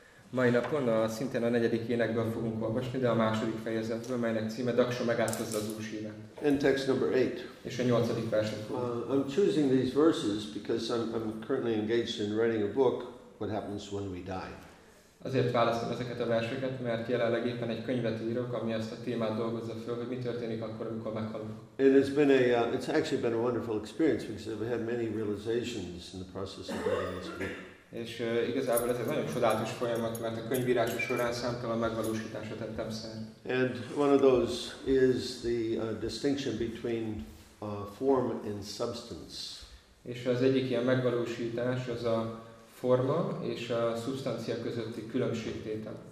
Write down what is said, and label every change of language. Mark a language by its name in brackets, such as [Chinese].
[Hungarian] Mai napon szintén a negyedik énekből fogunk olvasni, de a második fejezetből, melynek címe Daksha megáldozza az Úr Shivát. [English] And text number 8. [Hungarian] És a nyolcadik verset. [English] I'm choosing these verses because I'm currently engaged in writing a book, What Happens When We Die. [Hungarian] Azért választom ezeket a verseket, mert jelenleg éppen egy könyvet írok, ami ezt a témát dolgozza föl, hogy mi történik akkor, amikor meghalunk. [English] It has been it's actually been a wonderful experience because I've had many realizations in the process of writing this book. [Hungarian] És igazából ez egy nagyon csodálatos folyamat, mert a könyvírása során számtalan megvalósításra tettem szert. [English] And one of those is the distinction between form and substance. [Hungarian] És az egyik ilyen megvalósítás az a forma és a szubstancia közötti különbségtétel.